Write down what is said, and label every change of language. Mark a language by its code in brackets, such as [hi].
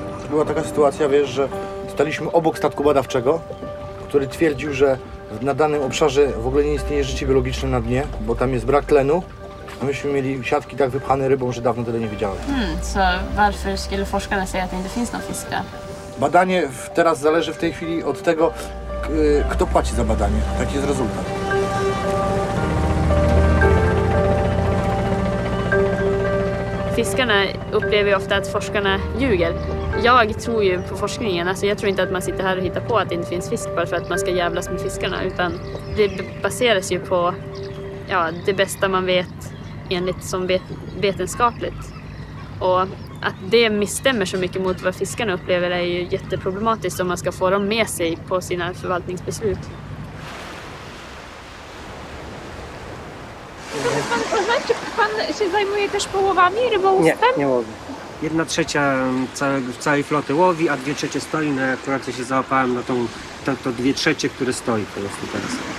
[pl] Była taka sytuacja, wiesz, że staliśmy obok statku badawczego, który twierdził, że na danym obszarze w ogóle nie istnieje życie biologiczne na dnie, bo tam jest brak tlenu. Myśmy mieli siatki tak wypchane rybą, że dawno tyle nie widziałem. [sv] So, varför skulle forskarna säga att det inte finns någon fiska? [pl] Badanie teraz zależy w tej chwili od tego, kto płaci za badanie. Taki jest rezultat. [sv] Fiskarna upplever ju ofta att forskarna ljuger. Jag tror ju på forskningen, alltså jag tror inte att man sitter här och hittar på att det inte finns fisk bara för att man ska jävlas med fiskarna, utan det baseras ju på ja, det bästa man vet enligt som vetenskapligt. Och att det misstämmer så mycket mot vad fiskarna upplever är ju jätteproblematiskt om man ska få dem med sig på sina förvaltningsbeslut. [pl] Pan się zajmuje też połowami, rybołówstwem? Nie, nie łowię. 1/3 całej floty łowi, a 2/3 stoi, no ja akurat się załapałem na to 2/3, które stoi po prostu teraz.